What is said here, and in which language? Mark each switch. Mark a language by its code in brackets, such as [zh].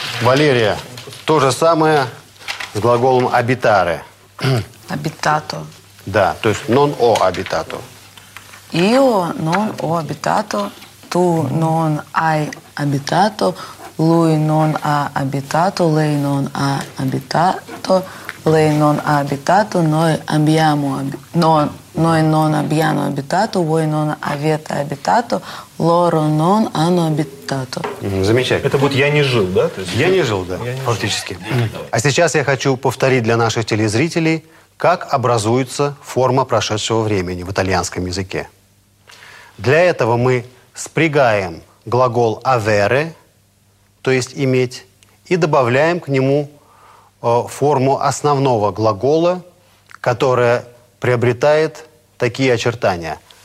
[ru] Валерия, то же самое с глаголом «абитаре». [it] «Абитато». [ru] Да, то есть [it] «non ho abitato». «Io non ho abitato», «tu non hai abitato», «lui non ha abitato», «lei non ha abitato», lei non ha abitato, noi abbiamo abitato, noi non abbiamo abitato, voi non avete abitato, loro non hanno abitato. [ru] Замечательно. Это будет я не жил, да? То есть я не жил, да. Фактически. А сейчас я хочу повторить для наших телезрителей, как образуется форма прошедшего времени в итальянском языке. Для этого мы спрягаем глагол avere, то есть иметь, и добавляем к нему форму основного глагола, которая приобретает такие очертания.